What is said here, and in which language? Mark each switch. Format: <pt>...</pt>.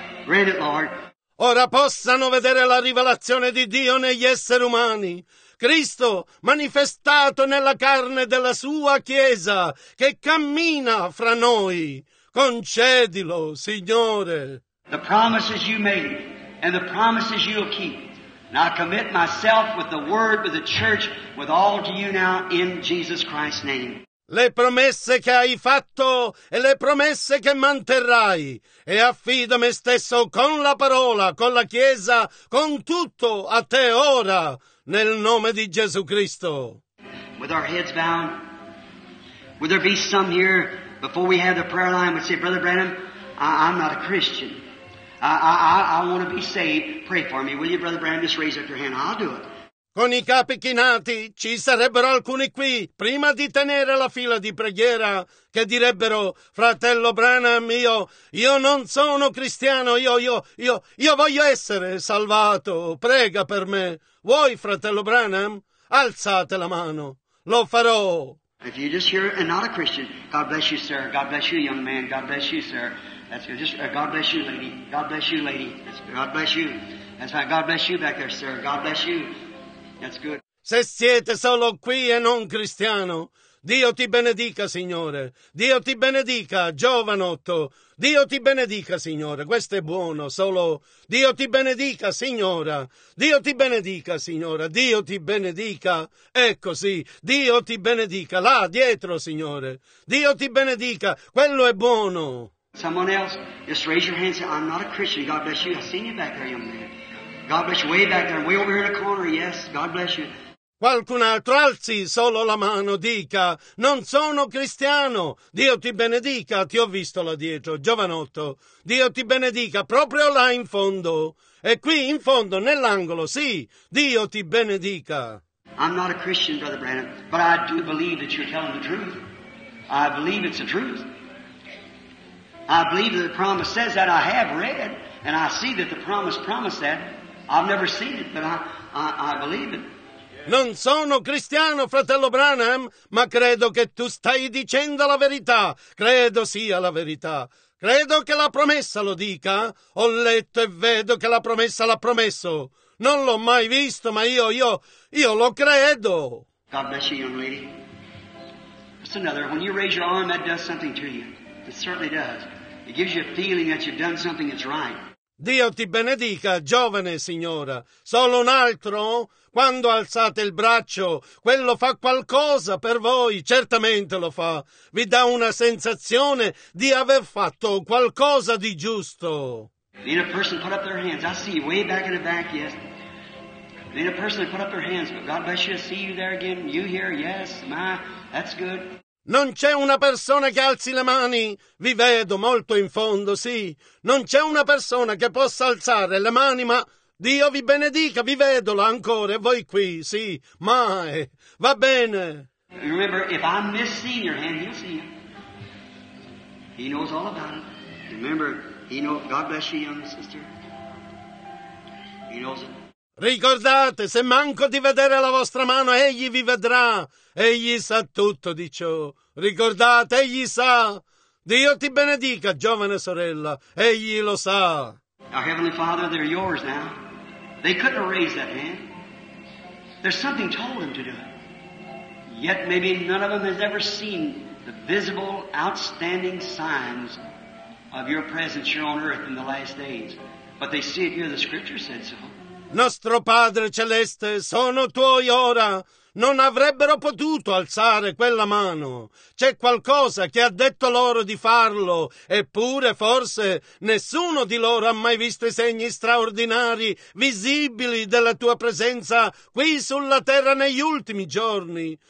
<en>Read it, Lord.</en> <it>Ora possano vedere la rivelazione di Dio negli esseri umani. Cristo manifestato nella carne della sua Chiesa che cammina fra noi. Concedilo, Signore.</it> <en>The promises you made and the promises you'll keep. And I commit myself with the word, with the church, with all to you now in Jesus Christ's name.</en> <it>Le promesse che hai fatto e le promesse che manterrai, e affido me stesso con la parola, con la Chiesa, con tutto a te ora, nel nome di Gesù Cristo.</it> <en>With our heads bound, would there be some here before we have the prayer line would say, Brother Branham, I'm not a Christian. I want to be saved. Pray for me, will you, Brother Branham? Just raise up your hand. I'll do it.</en> <it>Con i capi chinati ci sarebbero alcuni qui, prima di tenere la fila di preghiera, che direbbero, fratello Branham, io non sono cristiano, io voglio essere salvato, prega per me. Vuoi, fratello Branham? Alzate la mano, lo farò.</it> <en>If you're just here and not a Christian, God bless you, sir. God bless you, young man. God bless you, sir. That's good. Just, God bless you, lady. God bless you, lady. God bless you. That's right. God bless you back there, sir. God bless you. That's good.</en> <it>Se siete solo qui e non cristiano, Dio ti benedica, Signore. Dio ti benedica, giovanotto. Dio ti benedica, Signore. Questo è buono, solo Dio ti benedica, Signora. Dio ti benedica, Signora. Dio ti benedica. Ecco sì, Dio ti benedica. Là, dietro, Signore. Dio ti benedica. Quello è buono.</it> <en>Someone else, just raise your hand and say, I'm not a Christian. God bless you. I've seen you back there, young man. God bless you, way back there, way over here in the corner, yes, God bless you.</en> <it>Qualcun altro alzi solo la mano, dica, non sono cristiano, Dio ti benedica, ti ho visto là dietro, giovanotto, Dio ti benedica, proprio là in fondo, e qui in fondo, nell'angolo, sì, Dio ti benedica.</it> <en>I'm not a Christian, Brother Branham, but I do believe that you're telling the truth. I believe it's the truth. I believe that the promise says that. I have read, and I see that the promise promised that. I've never seen it, but I believe it.</en> <it>Non sono cristiano, fratello Branham, ma credo che tu stai dicendo la verità. Credo sia la verità. Credo che la promessa lo dica. Ho letto e vedo che la promessa l'ha promesso. Non l'ho mai visto, ma io lo credo.</it> <en>God bless you, young lady. That's another. When you raise your arm, that does something to you. It certainly does. It gives you a feeling that you've done something that's right.</en> <it>Dio ti benedica, giovane signora. Solo un altro? Quando alzate il braccio, quello fa qualcosa per voi, certamente lo fa. Vi dà una sensazione di aver fatto qualcosa di giusto.</it> <en>Then a person put up their hands. I see you way back in the back, yes. Then a person put up their hands. But God bless you, I see you there again. You here, yes. My, that's good.</en> <it>Non c'è una persona che alzi le mani. Vi vedo molto in fondo, sì. Non c'è una persona che possa alzare le mani, ma Dio vi benedica, vi vedo là ancora e voi qui, sì. Mai. Va bene.</it> <en>Remember, if I miss seeing your hand, he'll see it. He knows all about it. Remember, he knows. God bless you, young sister. He knows it.</en> <it>Ricordate, se manco di vedere la vostra mano, egli vi vedrà. Egli sa tutto di ciò. Ricordate, egli sa. Dio ti benedica, giovane sorella. Egli lo sa.</it> <en>Our Heavenly Father, they're yours now. They couldn't raise that hand. There's something told them to do it. Yet maybe none of them has ever seen the visible, outstanding signs of your presence here on earth in the last days. But they see it here, the scripture said so.</en> <it>Nostro Padre Celeste, sono tuoi ora. Non avrebbero potuto alzare quella mano. C'è qualcosa che ha detto loro di farlo, eppure forse nessuno di loro ha mai visto i segni straordinari, visibili della tua presenza qui sulla terra negli ultimi giorni.</it>